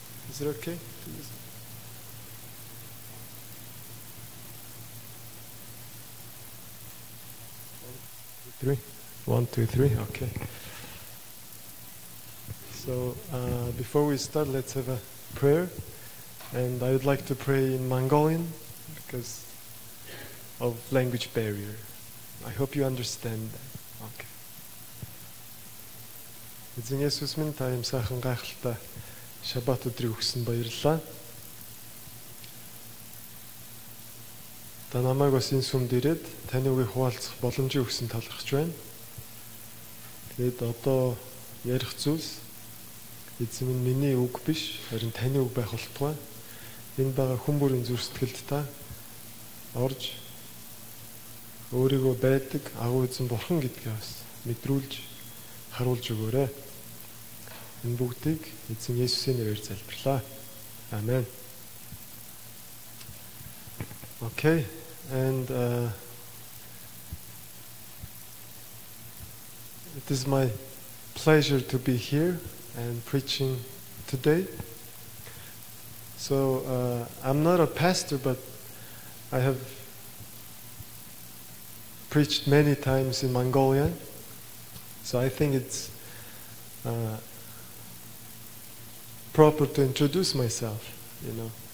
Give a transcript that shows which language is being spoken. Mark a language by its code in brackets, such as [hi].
[en] Is it okay to use it? One, two, three. Okay. So before we start, let's have a prayer. And I would like to pray in Mongolian because of language barrier. I hope you understand that. Okay. [mn] Эзэн Есүс минь, та ямар сайхан гайхалтай шабат өдрийг өгсөн баярлалаа. Та намайг бас энэ сүмд ирээд таны үгийг хуваалцах боломжийг өгсөн талархаж байна. Тэгээд одоо ярих зүйлс эзэн минь миний үг биш, харин таны үг байх болтугай. Энэ байгаа хүн бүрийн зүр сэтгэлд та орж өөрийгөө байдаг агуу эзэн бурхан гэдгээ бас мэдрүүлж харуулж өгөөрэ. Энэ бүгдийг эзэн Есүсийн нэрээр залбирлаа. Амен. [en] Okay, and it is my pleasure to be here and preaching today. So I'm not a pastor, but I have preached many times in Mongolian, so I think it's proper to introduce myself, you know.